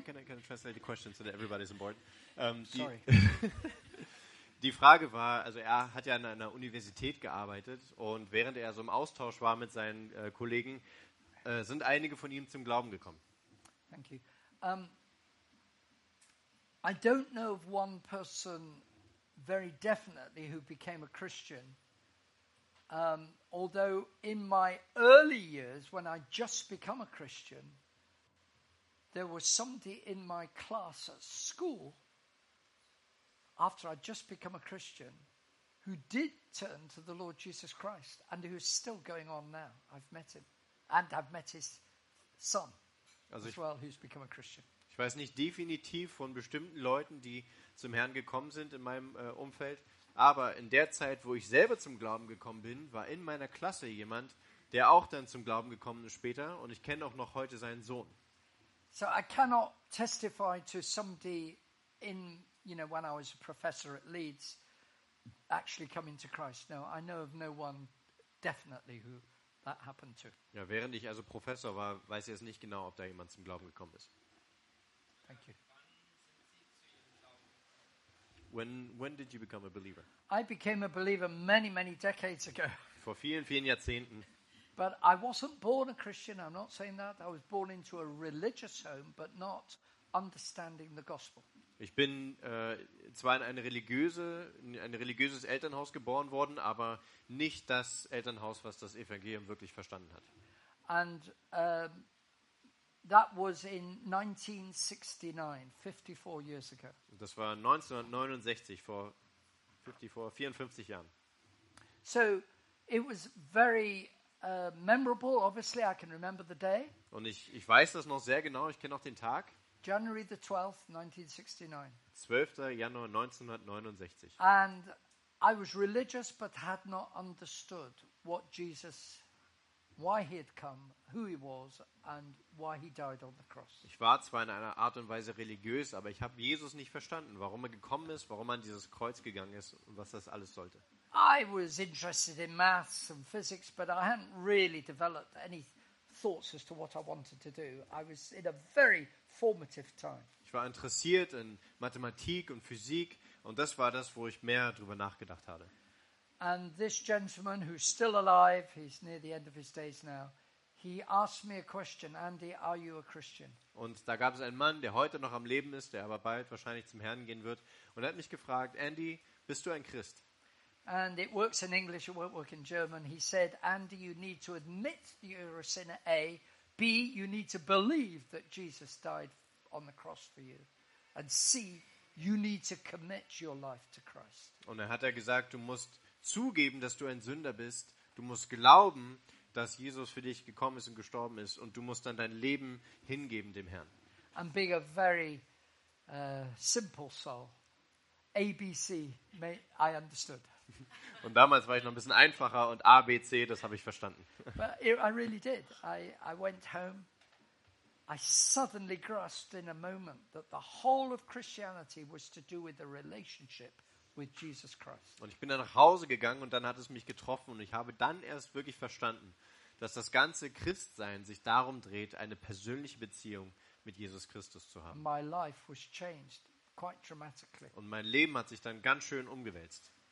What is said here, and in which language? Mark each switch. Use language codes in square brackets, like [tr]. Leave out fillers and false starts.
[en] Can I translate the question so that everybody's on board? [de] Die Frage war, also er hat ja an einer Universität gearbeitet und während er so im Austausch war mit seinen Kollegen, sind einige von ihm zum Glauben gekommen. [en] Thank you. I don't know of one person very definitely who became a Christian. Although in my early years, when I just become a Christian, there was somebody in my class at school, after I just become a Christian, who did turn to the Lord Jesus Christ and who is still going on now. I've met him. And I've met his son who's become a Christian. [de] Ich weiß nicht definitiv von bestimmten Leuten, die zum Herrn gekommen sind in meinem Umfeld. Aber in der Zeit, wo ich selber zum Glauben gekommen bin, war in meiner Klasse jemand, der auch dann zum Glauben gekommen ist später. Und ich kenne auch noch heute seinen Sohn. [en] So I cannot testify to somebody in, you know, when I was a professor at Leeds, actually coming to Christ. No, I know of no one definitely who that happened to. [de] Ja, während ich also Professor war, weiß ich jetzt nicht genau, ob da jemand zum Glauben gekommen ist. [en] Thank you. When did you become a believer? I became a believer many, many decades ago. [de] Vor vielen, vielen Jahrzehnten. [en] But I wasn't born a Christian, I'm not saying that. I was born into a religious home, but not understanding the gospel. [de] Ich bin zwar in ein religiöses Elternhaus geboren worden, aber nicht das Elternhaus, was das Evangelium wirklich verstanden hat. [en] And that was in 1969, 54 years ago. [de] Das war 1969, vor 54 Jahren. [en] So it was very memorable, obviously I can remember the day. [de] Und ich weiß das noch sehr genau, ich kenne auch den Tag. [en] January the 12th, 1969. [de] 12. Januar 1969. [en] And I was religious but had not understood what Jesus, why he had come, who he was and why he died on the cross. [de] Ich war zwar in einer Art und Weise religiös, aber ich habe Jesus nicht verstanden, warum er gekommen ist, warum er an dieses Kreuz gegangen ist und was das alles sollte. [en] I was interested in maths and physics, but I hadn't really developed any thoughts as to what I wanted to do. I was in a very formative time. [de] Ich war interessiert in Mathematik und Physik und das war das, wo ich mehr drüber nachgedacht hatte. [en] And this gentleman who's still alive, he's near the end of his days now, he asked me a question, Andy, are you a Christian? [de] Und da gab es einen Mann, der heute noch am Leben ist, der aber bald wahrscheinlich zum Herrn gehen wird, und er hat mich gefragt, Andy, bist du ein Christ? [en] And it works in English, it won't work in German. He said, Andy, you need to admit that you're a sinner, A. B, you need to believe that Jesus died on the cross for you. And C, you need to commit your life to Christ. [de] Und dann hat er gesagt, du musst zugeben, dass du ein Sünder bist. Du musst glauben, dass Jesus für dich gekommen ist und gestorben ist. Und du musst dann dein Leben hingeben dem Herrn. [en] And being a very simple soul, A, B, C, I understood. [de] Und damals war ich noch ein bisschen einfacher und A, B, C, das habe ich verstanden. [en] But I really did. I went home. I suddenly grasped in a moment that the whole of Christianity was to do with the relationship with Jesus Christ. [de] Und ich bin dann nach Hause gegangen und dann hat es mich getroffen und ich habe dann erst wirklich verstanden, dass das ganze Christsein sich darum dreht, eine persönliche Beziehung mit Jesus Christus zu haben. [en] My life was changed quite dramatically. [de] Und mein Leben hat sich dann ganz schön umgewälzt.